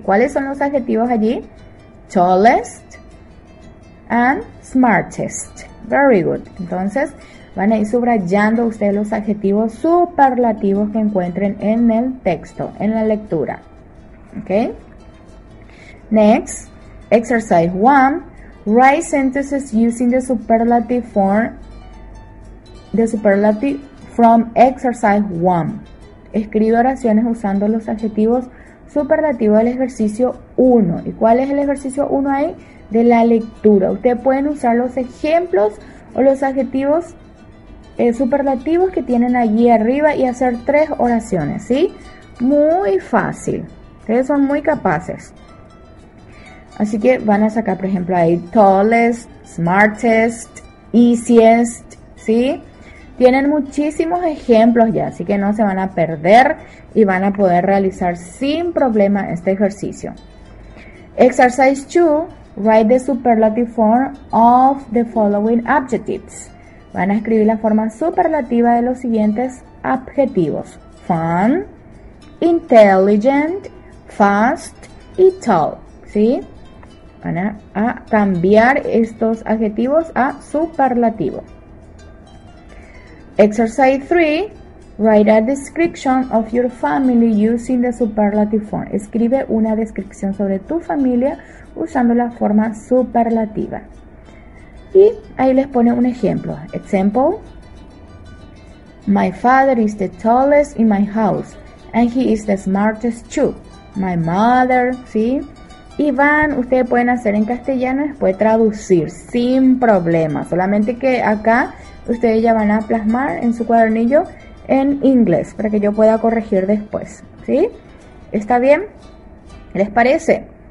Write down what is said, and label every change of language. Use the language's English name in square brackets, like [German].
[Spanish] ¿Cuáles son los adjetivos allí? [English] Tallest and smartest. Very good. [Spanish] Entonces, van a ir subrayando ustedes los adjetivos superlativos que encuentren en el texto, en la lectura. [English] ¿Ok? Next, exercise 1. Write sentences using the superlative form, the superlative from exercise 1. [Spanish] Escribe oraciones usando los adjetivos superlativos del ejercicio 1. ¿Y cuál es el ejercicio 1 ahí? De la lectura. Ustedes pueden usar los ejemplos o los adjetivos superlativos que tienen allí arriba y hacer 3 oraciones, ¿sí? Muy fácil. Ustedes son muy capaces. Así que van a sacar, por ejemplo, ahí tallest, smartest, easiest, ¿sí? Tienen muchísimos ejemplos ya, así que no se van a perder y van a poder realizar sin problema este ejercicio. [English] Exercise 2, write the superlative form of the following adjectives. [Spanish] Van a escribir la forma superlativa de los siguientes adjetivos: fun, intelligent, fast y tall, ¿sí? Van a cambiar estos adjetivos a superlativo. [English] Exercise 3. Write a description of your family using the superlative form. [Spanish] Escribe una descripción sobre tu familia usando la forma superlativa. Y ahí les pone un ejemplo. Example. [English] My father is the tallest in my house and he is the smartest too. My mother, ¿sí? [Spanish] Y van, ustedes pueden hacer en castellano y después traducir sin problema. Solamente que acá ustedes ya van a plasmar en su cuadernillo en inglés para que yo pueda corregir después, ¿sí? ¿Está bien? ¿Les parece?